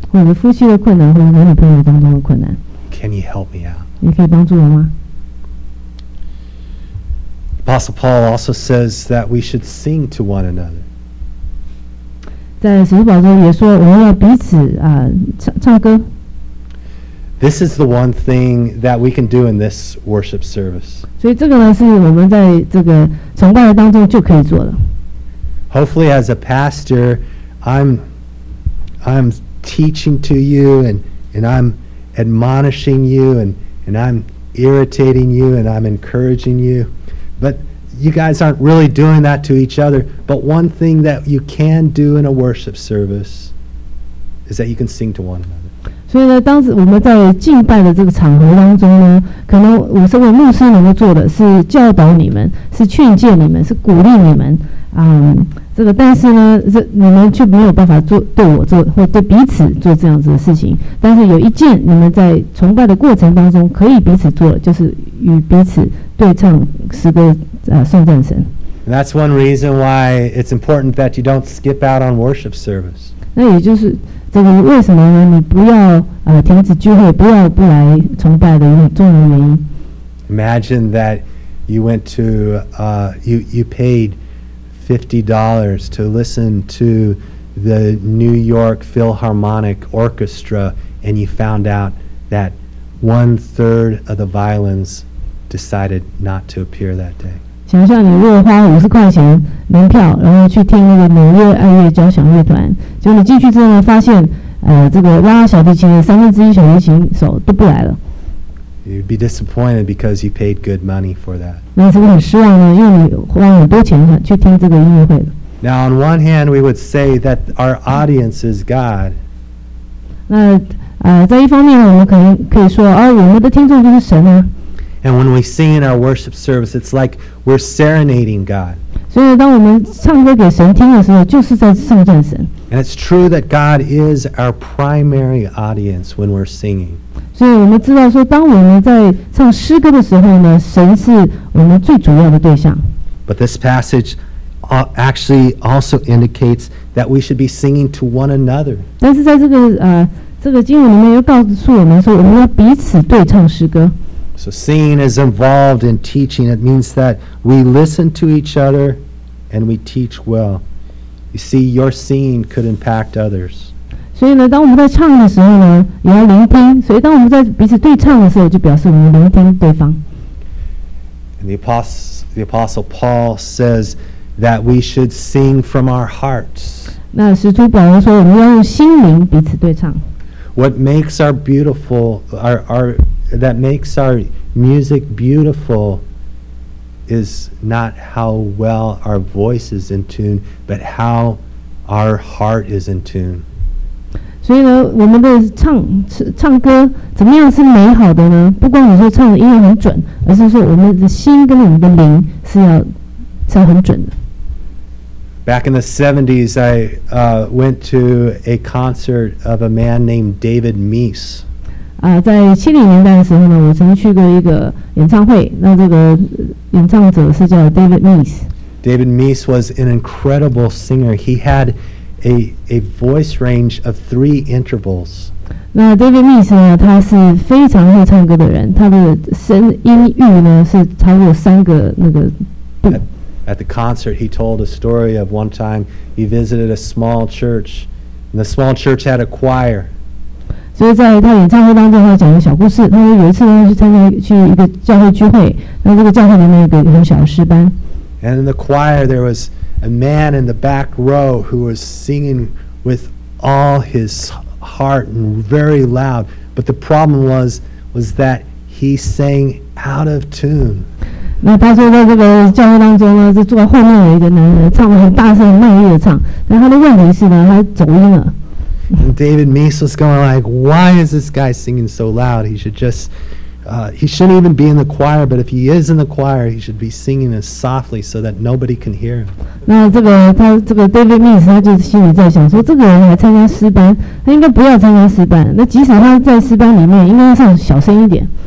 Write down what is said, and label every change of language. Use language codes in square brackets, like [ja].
[zh] 或者夫妻的困难，或者男女朋友当中的困难。 [en] Can you help me out? [zh] 你可以帮助我吗？ [en] Apostle Paul also says that we should sing to one another. [zh] 在使徒保罗也说，我们要彼此唱歌。 [en] This is the one thing that we can do in this worship service. [zh] 所以这个呢，是我们在这个崇拜当中就可以做的。 [en] Hopefully, as a pastor, I'm teaching to you, and I'm admonishing you, and I'm irritating you and I'm encouraging you, but you guys aren't really doing that to each other. But one thing that you can do in a worship service is that you can sing to one another. [zh] 所以呢，当时我们在敬拜的这个场合当中呢，可能我身为牧师能够做的是教导你们，是劝诫你们，是鼓励你们。这个但是呢，你们却没有办法做对我做或对彼此做这样子的事情。但是有一件你们在崇拜的过程当中可以彼此做，就是与彼此对唱诗歌，颂赞神。 [en] And that's one reason why it's important that you don't skip out on worship service. [zh] 那也就是这个为什么呢？你不要停止聚会，不要不来崇拜的重要原因。 [en] Imagine that you went to you paid $50 to listen to the New York Philharmonic Orchestra, and you found out that 1/3 of the violins decided not to appear that day. [zh] 想象你如果花$50门票，然后去听那个纽约爱乐交响乐团，结果你进去之后发现，这个拉小提琴的三分之一小提琴手都不来了。 [en] You'd be disappointed because you paid good money for that. [zh] 那是不是很失望呢？因为你花很多钱去听这个音乐会了。 [en] Now, on one hand, we would say that our audience is God. [zh] 那在一方面呢，我们可以说，我们的听众就是神啊。 [en] And when we sing in our worship service, it's like we're serenading God. [zh] 所以当我们唱歌给神听的时候，就是在颂赞神。 [en] And it's true that God is our primary audience when we're singing. [zh] 所以我们知道说，当我们在唱诗歌的时候呢，神是我们最主要的对象。 [en] But this passage actually also indicates that we should be singing to one another. [zh] 但是在这个经文里面又告诉我们说，我们要彼此对唱诗歌。 [en] So singing is involved in teaching. It means that we listen to each other and we teach well. You see, your singing could impact others. [zh] 所以呢，当我们在唱的时候呢，也要聆听。所以当我们在彼此对唱的时候，就表示我们聆听对方。 [en] And the Apostle Paul says that we should sing from our hearts. [zh] 那使徒保罗说，我们要用心灵彼此对唱。 [en] What makes our beautiful, that makes our music beautiful is not how well our voice is in tune, but how our heart is in tune. [zh] 所以呢，我们的唱歌怎么样是美好的呢？不光你说唱的音乐很准，而是说我们的心跟我们的灵是要很准的。 [en] Back in the 70s, I went to a concert of a man named David Meese. [zh] 在70年代的时候呢，我曾去过一个演唱会。那这个演唱者是叫 David Meese。 [en] David Meese was an incredible singer. He had a voice range of 3 intervals. [zh] 那 David Meese 呢，他是非常会唱歌的人。他的声音域呢是超过3个那个度。 [en] At the concert, he told a story of one time he visited a small church, and the small church had a choir. [zh] 所以在他演唱会当中，他讲了小故事。他说有一次他去参加去一个教会聚会，那这个教会里面有一个很小的诗班。 [en] And in the choir, there was a man in the back row who was singing with all his heart and very loud. But the problem was that he sang out of tune. [zh] 那他说在这个教会当中呢，就坐在后面有一个男人，唱得很大声、很卖力的唱。但他的问题是呢，他走音了。 [en] And David Meese was going like, "Why is this guy singing so loud? He should just, he shouldn't even be in the choir. But if he is in the choir, he should be singing as softly so that nobody can hear him." [zh] 那这个 David Meese 他就心里在想说，这个人来参加诗班，他应该不要参加诗班。那即使他在诗班里面，应该要唱小声一点。